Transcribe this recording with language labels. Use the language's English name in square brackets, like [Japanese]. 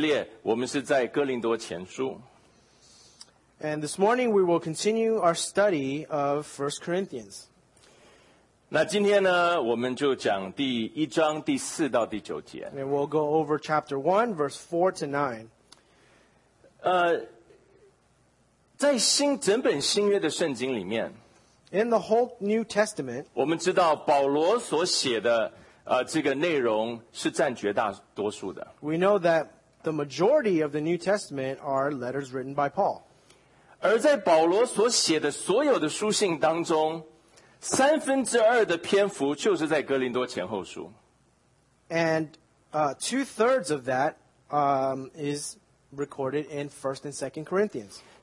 [Chinese] 那我们今天呢，继续我们这个主日的解经正道系列，我们是在哥林多前书。 [English] And this morning, we will continue our study of 1 Corinthians. [Chinese] 那今天呢，我们就讲第一章第四到第九节。 [English] And we'll go over chapter 1, verse 4 to 9. [Chinese] 在整本新约的圣经里面， [English] In the whole New Testament, [Chinese] 我们知道保罗所写的这个内容是占绝大多数的。 [English] We know that the majority of the New Testament are letters written by Paul. [Chinese] 而在保罗所写的所有的书信当中， 三分之二的篇幅就是在哥林多前后书。 [English] And two-thirds of that is recorded in 1st and 2nd Corinthians.